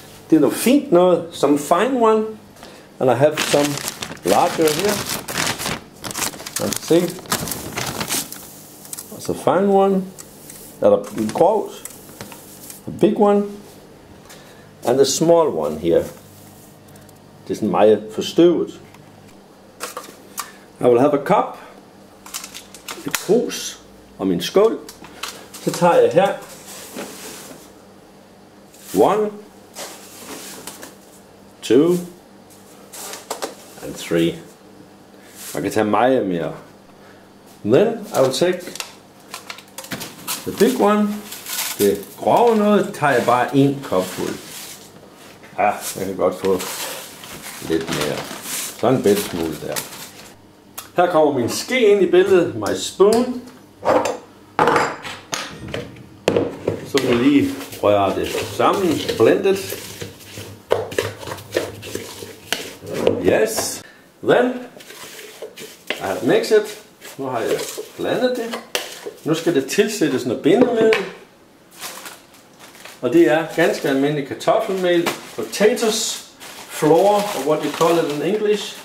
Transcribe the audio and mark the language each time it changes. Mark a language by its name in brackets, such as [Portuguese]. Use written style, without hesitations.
[Danish] Det er noget fint noget, [English] some fine one, and I have some larger here. See, that's a fine one, that's a quote, a big one, and a small one here. [Danish] Det er sådan meget forstøvet. [English] I will have a cup, [Danish] et krus og min skål. Så tager jeg her, [English] one, two, and three. [Danish] Man kan tage meget mere. [English] And then I will take the big one, [Danish] det grove noget, tager jeg bare en kop fuld. Ja, jeg kan godt få lidt mere. Så en bedre smule der. Her kommer min ske ind i billedet, [English] my spoon. [Danish] Så vil jeg lige røre det sammen, blendet. [English] Yes. Then I have mixed it. [Danish] Nu har jeg blandet det. Nu skal det tilsættes noget bindemiddel. Og det er ganske almindelig kartoffelmel. [English] Potatoes, flour, or what you call it in English.